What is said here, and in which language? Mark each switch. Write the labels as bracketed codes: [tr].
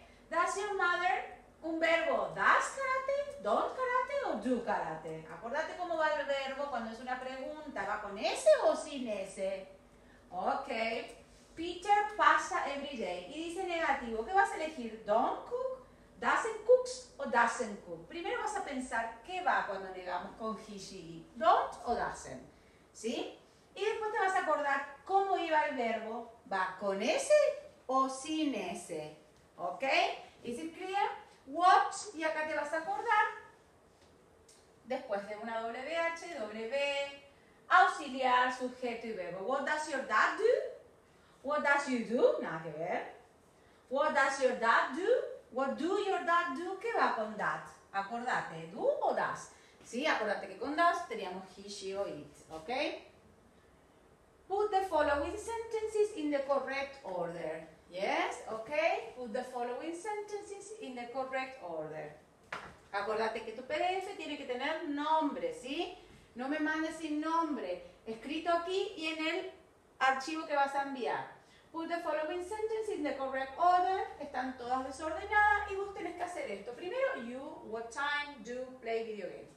[en] Does your mother, [es] un verbo, [en] does karate, don't karate o do karate? [es] Acordate cómo va el verbo cuando es una pregunta. ¿Va con S o sin S? Ok. Peter pasa [en] every day. [es] Y dice negativo. ¿Qué vas a elegir? [en] Don't cook? Doesn't cooks o doesn't cook. [es] Primero vas a pensar qué va cuando negamos con he, she, he. Don't o doesn't. ¿Sí? Y después te vas a acordar cómo iba el verbo. ¿Va con S o sin S? ¿Ok? [en] Is it clear? What? [es] Y acá te vas a acordar. Después de una WH, W, auxiliar, sujeto y verbo. [en] What does your dad do? What does you do? [es] Nada que ver. [en] What does your dad do? What do your dad do? [es] ¿Qué va con [en] that? [es] Acordate, do o does. Sí, acordate que con does teníamos he, she o it, ¿ok? [en] Put the following sentences in the correct order. Yes, ¿ok? Put the following sentences in the correct order. [es] Acordate que tu PDF tiene que tener nombre, ¿sí? No me mandes sin nombre. Escrito aquí y en el archivo que vas a enviar. [en] Put the following sentences in the correct order. [es] Están todas desordenadas y vos tenés que hacer esto. [en] Primero, you, what time do play video games?